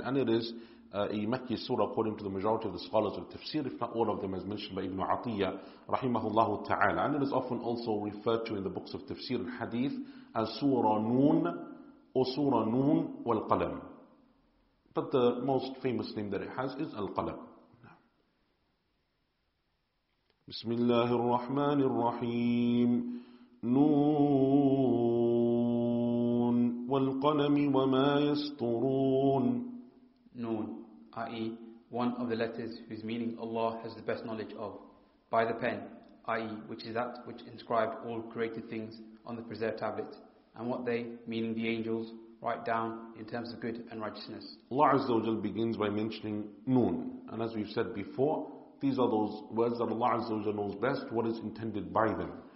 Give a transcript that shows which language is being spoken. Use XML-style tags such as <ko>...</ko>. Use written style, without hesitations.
<en>And it is a Makki surah according to the majority of the scholars of tafsir, if not all of them, as mentioned by Ibn Atiyah, rahimahullahu ta'ala. And it is often also referred to in the books of tafsir and hadith as Surah Noon or Surah Noon wal-Qalam. But the most famous name that it has is Al-Qalam.</en> <ar>بسم الله الرحمن الرحيم نون والقلم وما يسطرون نون i.e.</ar> <en>one of the letters whose meaning Allah has the best knowledge of. By the pen, i.e. which is that which inscribed all created things on the preserved tablet, and what they, meaning the angels, write down in terms of good and righteousness. Allah Azza wa Jal begins by mentioning Noon, and as we've said before, these are those words that Allah Azza wa Jalla knows best what is intended by them.</en>